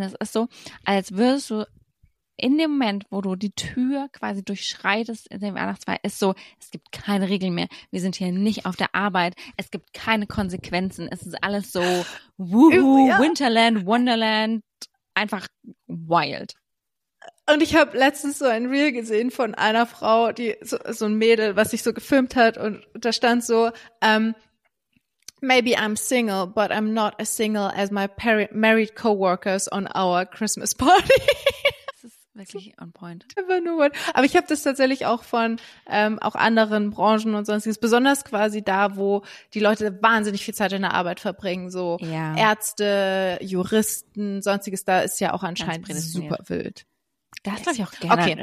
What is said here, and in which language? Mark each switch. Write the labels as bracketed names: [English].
[German] Es ist so, als würdest du in dem Moment, wo du die Tür quasi durchschreitest in dem Weihnachtsfeier, ist so, es gibt keine Regeln mehr. Wir sind hier nicht auf der Arbeit. Es gibt keine Konsequenzen. Es ist alles so woohoo, ja. Winterland, Wonderland, einfach wild. Und ich habe letztens so ein Reel gesehen von einer Frau, die so ein Mädel, was sich so gefilmt hat. Und da stand so, [English] maybe I'm single, but I'm not as single as my married co-workers on our Christmas party. [German] Wirklich [English] on point. [German] Aber nur one. Aber ich habe das tatsächlich auch von auch anderen Branchen und sonstiges, besonders quasi da, wo die Leute wahnsinnig viel Zeit in der Arbeit verbringen, so ja. Ärzte, Juristen, sonstiges, da ist ja auch anscheinend super wild. Da ist glaube ich auch generell